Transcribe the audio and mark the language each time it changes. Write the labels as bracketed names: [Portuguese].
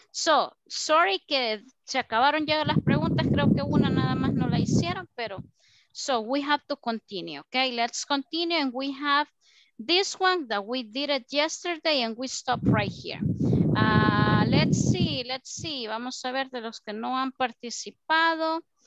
[Spanish] So, sorry que se acabaron ya las preguntas, creo que una nada más no la hicieron, pero [English] so we have to continue, okay? Let's continue and we have this one that we did it yesterday and we stopped right here. Let's see, [Spanish] vamos a ver de los que no han participado.